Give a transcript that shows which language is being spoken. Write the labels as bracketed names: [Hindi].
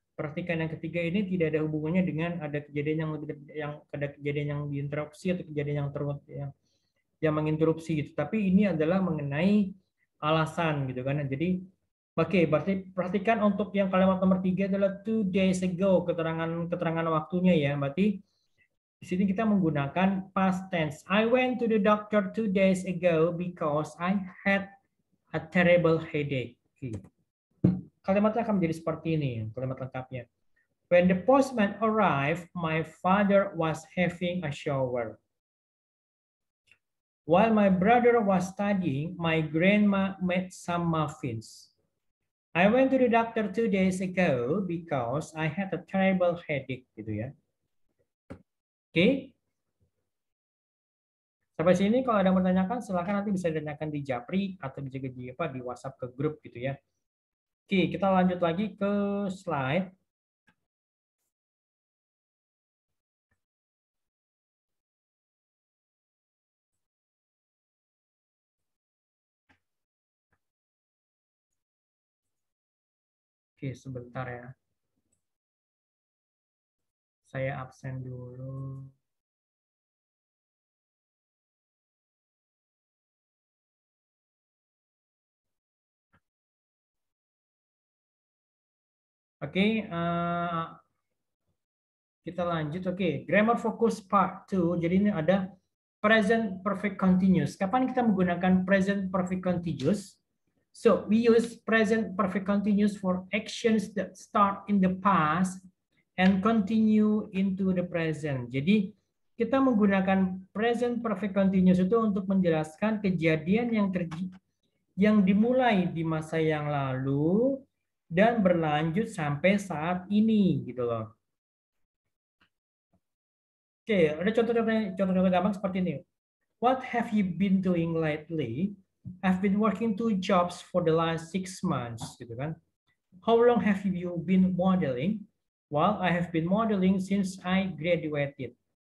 [Indonesian] Pertikaian yang ketiga ini tidak ada hubungannya dengan ada kejadian yang lebih, yang ada kejadian yang diinterupsi atau kejadian yang terus yang menginterupsi gitu. Tapi ini adalah mengenai alasan gitu kan. Jadi oke, berarti perhatikan untuk yang kalimat nomor tiga adalah 2 days ago, keterangan waktunya ya. Berarti di sini kita menggunakan past tense. [English] I went to the doctor 2 days ago because I had a terrible headache. [Indonesian] Kalimatnya akan menjadi seperti ini, kalimat lengkapnya. [English] When the postman arrived, my father was having a shower. While my brother was studying, my grandma made some muffins. I went to the doctor 2 days ago because I had a terrible headache, [Indonesian] gitu ya. Oke. Sampai sini kalau ada yang menanyakan, silakan nanti bisa ditanyakan di Japri atau juga di WhatsApp ke grup, gitu ya. Oke, kita lanjut lagi ke slide. Oke, sebentar ya. Saya absen dulu. Oke, kita lanjut. Oke, [English] grammar focus part 2. [Indonesian] Jadi ini ada present perfect continuous. Kapan kita menggunakan present perfect continuous? [English] So, we use present perfect continuous for actions that start in the past and continue into the present. [Indonesian] Jadi, kita menggunakan present perfect continuous itu untuk menjelaskan kejadian yang dimulai di masa yang lalu dan berlanjut sampai saat ini gitu loh. Oke, ada contoh-contoh gampang seperti ini. What have you been doing lately? I've been working 2 jobs for the last 6 months, gitu kan. How long have you been modeling? Well, I have been modeling since I graduated.